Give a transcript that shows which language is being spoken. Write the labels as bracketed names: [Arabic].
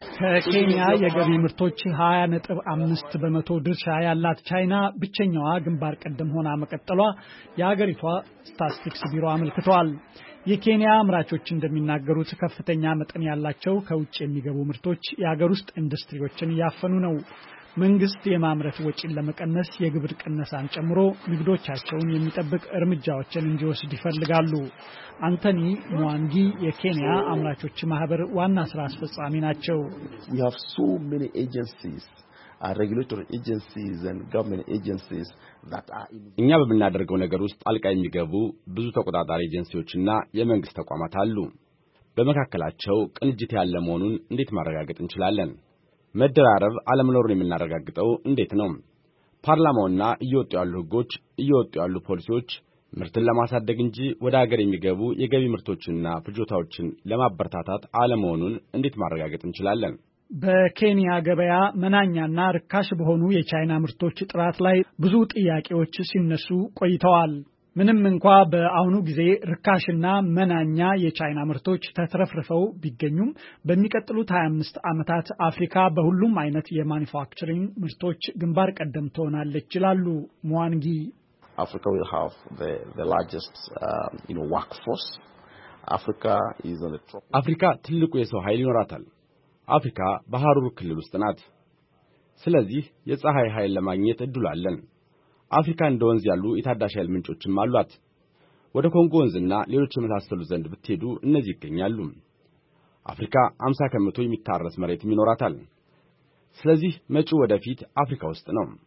[Amharic] ከኬንያ የገቢ ምርቶች 20.5% ድርሻ ያላት ቻይና ብቸኛዋ ግንባር ቀደም ሆና መቀጠሏ የሀገሪቷ ስታቲስቲክስ ቢሮ አመልክቷል። የኬንያ አምራቾች እንደሚናገሩት ከፍተኛ መጠን ያላቸው ከውጭ የሚገቡ ምርቶች የሀገር ውስጥ ኢንዱስትሪዎችን ያፈኑ ነው። መንግስት የማምረት ወጪን ለመቀነስ የግብር ቅነሳን ጨምሮ ንግዶቻቸውን የሚጠብቅ እርምጃዎችን እንዲወስድ ይፈልጋሉ። አንቶኒ ሙዋንጊ የኬንያ አምራቾች ማህበር ዋና ስራ አስፈጻሚ ናቸው። [English] You have so many agencies, regulatory agencies and government agencies that are in [Amharic] እኛ በመናደርገው ነገር ውስጥ አልቃ የሚገቡ ብዙ ተቆጣጣሪ ኤጀንሲዎችና የመንግስት ተቋማት አሉ። በመካከላቸው ቅንጅት ያለ መሆኑን እንዴት ማረጋገጥ እንችላለን? መደራረብ አለመኖሩን የምናረጋግጠው እንዴት ነው? ፓርላማውና እየወጡ ያሉ ህጎች፣ እየወጡ ያሉ ፖሊሲዎች ምርትን ለማሳደግ እንጂ ወደ ሀገር የሚገቡ የገቢ ምርቶችንና ፍጆታዎችን ለማበረታታት አለመሆኑን እንዴት ማረጋገጥ እንችላለን? በኬንያ ገበያ መናኛና ርካሽ በሆኑ የቻይና ምርቶች ጥራት ላይ ብዙ ጥያቄዎች ሲነሱ ቆይተዋል። ምንም እንኳ በአሁኑ ጊዜ ርካሽና መናኛ የቻይና ምርቶች ተትረፍርፈው ቢገኙም በሚቀጥሉት 25 ዓመታት አፍሪካ በሁሉም አይነት የማኒፋክቸሪንግ ምርቶች ግንባር ቀደም ትሆናለች ይላሉ ሙዋንጊ። [English] Africa will have the largest workforce. Africa is on the top. [Amharic] አፍሪካ ትልቁ የሰው ኃይል ይኖራታል። አፍሪካ በሐሩር ክልል ውስጥ ናት። ስለዚህ የፀሐይ ኃይል ለማግኘት እድል አለን። አፍሪካ እንደ ወንዝ ያሉ የታዳሽ ኃይል ምንጮችም አሏት። ወደ ኮንጎ ወንዝና ሌሎች የመሳሰሉ ዘንድ ብትሄዱ እነዚህ ይገኛሉ። አፍሪካ 50% የሚታረስ መሬትም ይኖራታል። ስለዚህ መጪው ወደፊት አፍሪካ ውስጥ ነው።